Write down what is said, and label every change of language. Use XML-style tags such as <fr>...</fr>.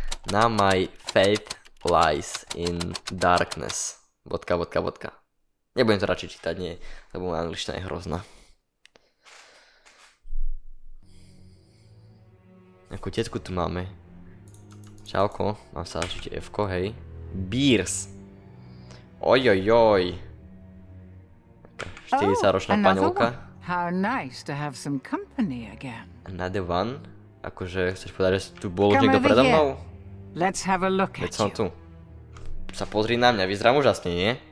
<en>Now my faith lies in darkness. ..</en> <sk>Nebudem to radšej čítať, nie, lebo moja angličtina je hrozná. Nejakú tetku tu máme. Čauko, mám sa začiť F-ko, hej. Beers. Ojojoj. 40-ročná paneľka.</sk> <en>How nice to have some company again. Another one?</en> <sk>Akože chceš povedať, že tu bol už niekto predo mnou?</sk> <en>Let's have a look at you.</en> <sk>Tu. Sa pozri na mňa, vyzerám úžasne, nie?</sk>